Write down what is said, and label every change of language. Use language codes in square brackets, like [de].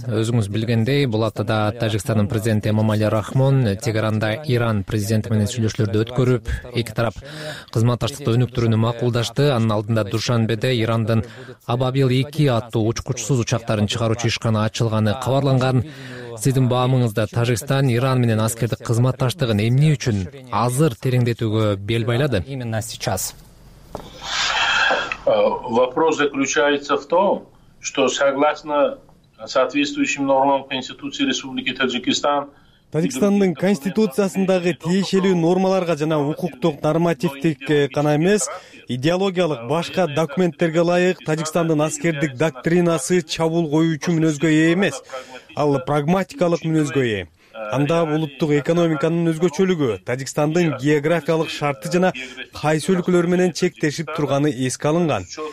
[ky] Өзүңүз билгендей, бул аптада Тажикстандын президенти Эмомали Рахмон Тегеранда Иран президенти менен сүйлөшүүлөрдү өткөрүп, эки тарап кызматташтыкты өнүктүрүүнү макулдашты. Анын алдында Душанбеде Ирандын Абабил 2 аттуу учкучсуз учактарын чыгаруучу ишкана ачылганы кабарланган. Сиздин баамыңызда Тажикстан Иран менен аскердик кызматташтыгын эмне үчүн азыр тереңдетүүгө бел байлады? [ru] Именно сейчас. Вопрос заключается в том, что согласно соответствующим нормам Конституции Республики Таджикистан [ky] Тажикстандын конституциясындагы тиешелүү нормаларга жана укуктук нормативдик гана эмес, идеологиялык башка документтерге ылайык Тажикстандын аскердик доктринасы чабуул коюучу мүнөзгө ээ эмес, ал прагматикалык мүнөзгө ээ. Анда улуттук экономиканын өзгөчөлүгү, Тажикстандын географиялык шарты жана кайсы өлкөлөр менен чектешип турганы эске алынган.